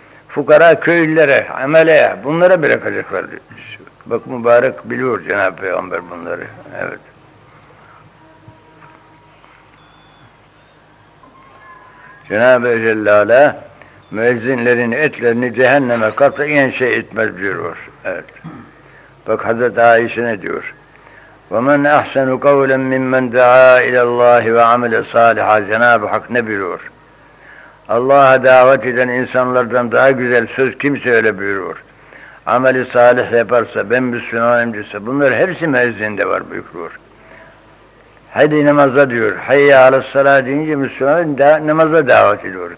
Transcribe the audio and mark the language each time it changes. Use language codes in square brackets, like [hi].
[tr] Fukara, köylülere, ameleye, bunlara bırakacaklar. Bak mübarek biliyor Cenab-ı Peygamber bunları. Evet. Cenab-ı Celle müezzinlerin etlerini cehenneme katıyan şey etmez diyor. Evet. Bak Hazreti Aişe ne diyor? [ar] وَمَنْ اَحْسَنُ قَوْلًا مِمَّنْ دَعَى اِلَى اللّٰهِ وَعَمِلَ صَالِحًا [tr] Cenab-ı Hak ne biliyor? Allah'a davet eden insanlardan daha güzel söz kimse öyle buyurur. Ameli salih yaparsa, ben Müslümanım diyorsa, bunlar hepsi müezzinde var buyurur. Hadi namaza diyor, hayya alessalâh deyince Müslümanın namaza davet ediyor.